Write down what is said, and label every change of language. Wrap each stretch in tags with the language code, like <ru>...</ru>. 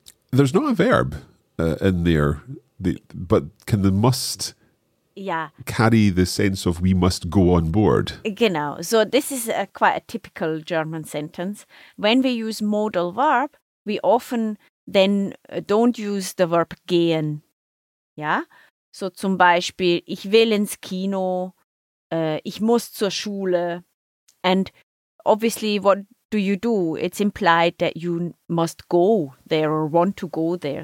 <en>There's not a verb in there, but can the must carry the sense of we must go on board. Genau. So this is quite a typical German sentence. When we use modal verb, we often then don't use the verb gehen. Yeah?</en> <de>So zum Beispiel, ich will ins Kino, ich muss zur Schule.</de> <en>And obviously, what do you do? It's implied that you must go there or want to go there.</en>